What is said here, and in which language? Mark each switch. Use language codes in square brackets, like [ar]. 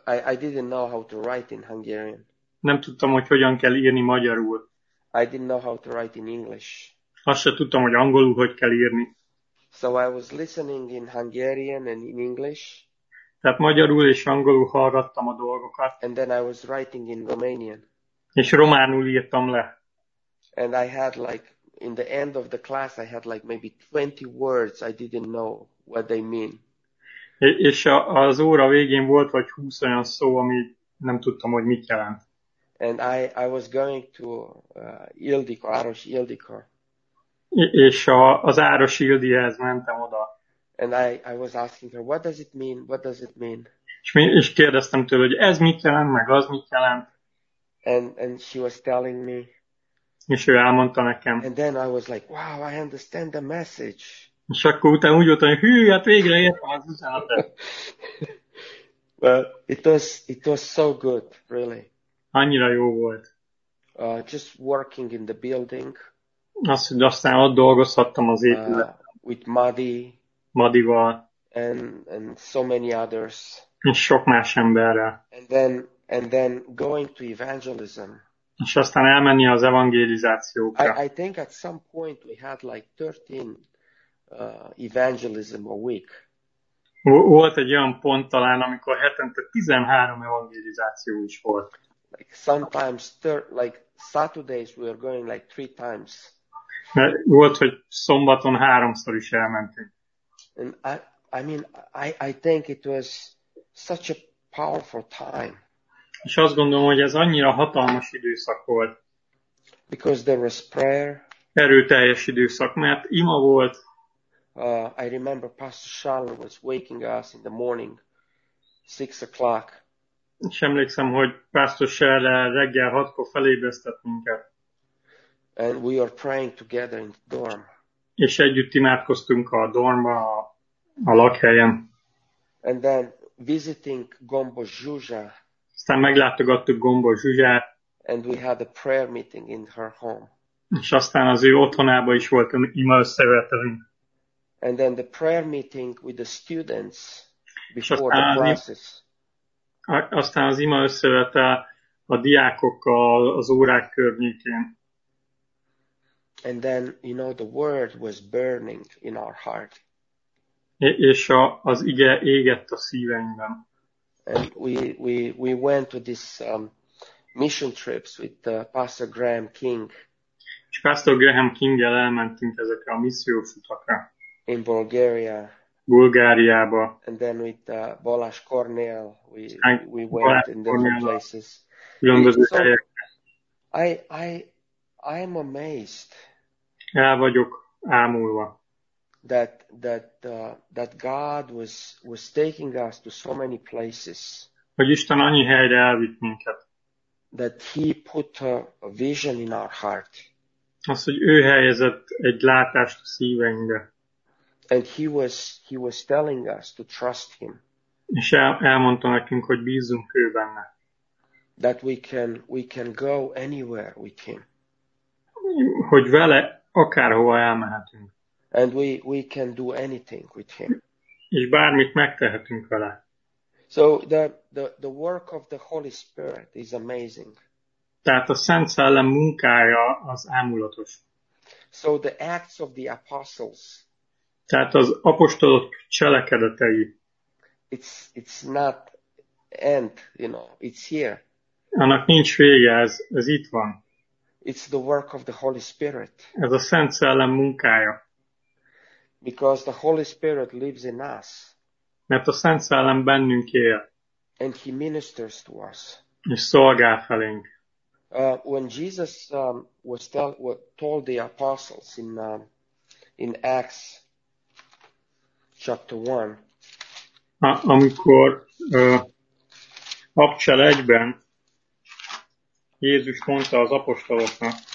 [en] I didn't know how to write in Hungarian. [hu] Nem tudtam, hogy hogyan kell írni magyarul. [en] I didn't know how to write in English. [hu] Azt se tudtam, hogy angolul hogy kell írni. [en] So I was listening in Hungarian and in English. [hu] Tehát magyarul és angolul hallgattam a dolgokat. [en] And then I was writing in Romanian. [hu] És románul írtam le. [en] And I had like in the end of the class I had like maybe 20 words I didn't know what they mean. [hu] És az óra végén volt vagy 20 olyan szó, ami nem tudtam, hogy mit jelent. [en] And I was going to Ildiko, Áros Ildiko. [hu] És az Áros Ildihez mentem oda. [en] And I was asking her, what does it mean? What does it mean? [hu] És kérdeztem tőle, hogy ez mit jelent, meg az mit jelent. [en] And she was telling me. [hu] És ő elmondta nekem. [en] And then I was like, wow, I understand the message. [hu] És akkor utána úgy voltam, hogy hű, hát végre értem az üzenetet. [en] Well, it was so good, really. [hu] Annyira jó volt. [en] Just working in the building. [hu] Aztán ott dolgozhattam az épületben. [en] With Madi. [hu] Madival. [en] And so many others. [hu] És sok más emberrel. [en] And then going to evangelism. [hu] És aztán elmenni az evangelizációkra. [en] I think at some point we had like 13 evangelism a week. [hu] Volt egy olyan pont talán, amikor hetente 13 evangelizáció is volt. [en] Like sometimes like Saturdays we are going like 3 times. [hu] Volt, hogy szombaton háromszor is elmentünk. [en] And I think it was such a powerful time. [hu] És azt gondolom, hogy ez annyira hatalmas időszak volt. [en] Because there was prayer. [hu] Erőteljes időszak, mert ima volt. [en] I remember Pastor Charles was waking us in the morning, 6 o'clock. [hu] És emlékszem, hogy Pastor Charles reggel 6-kor felébresztett minket. [en] And we were praying together in the dorm. [hu] És együtt imádkoztunk a dormba, a lakhelyen. [en] And then visiting Gombos Zsuzsa. [hu] Aztán meglátogattuk Gombos Zsuzsát. [en] And we had a prayer meeting in her home. [hu] És aztán az ő otthonába is volt ima összevetelünk. [en] And then the prayer meeting with the students before the classes. [hu] Aztán az ima összevetel a diákokkal az órák környékén. [en] And then, you know, the word was burning in our heart. [hu] És az ige égett a szíveinkben. [en] And we went to this mission trips with Pastor Graham King. [hu] És Pastor Graham King-gel elmentünk ezekre a missziós utakra. [en] In Bulgaria. [hu] Bulgáriába. [en] And then with Balázs Kornél, we went in different places. [hu] Különböző [en] I am amazed. [hu] El vagyok ámulva. [en] That God was taking us to so many places. [hu] Hogy Isten annyi helyre elvitt minket. [en] That he put a vision in our heart. [hu] Az, hogy ő helyezett egy látást a szíveinkbe. [en] And he was telling us to trust him. [hu] És elmondta nekünk, hogy bízzunk ő benne. [en] That we can go anywhere with him. [hu] Hogy vele akárhova elmehetünk. [en] And we can do anything with him. [hu] És bármit megtehetünk vele. [en] So the work of the Holy Spirit is amazing. [hu] Tehát a Szent Szellem munkája az ámulatos. [en] So the Acts of the Apostles. [hu] Tehát az apostolok cselekedetei. [en] It's not end, you know, it's here. [hu] Annak nincs vége, ez itt van. [en] It's the work of the Holy Spirit. [hu] Ez a Szent Szellem munkája. [en] Because the Holy Spirit lives in us. [hu] Mert a Szent Szellem bennünk él. [en] And he ministers to us. [hu] És szolgál felénk. [en] When Jesus told the apostles in Acts chapter 1. [hu] Amikor Apcsel 1-ben Jézus mondta az apostoloknak.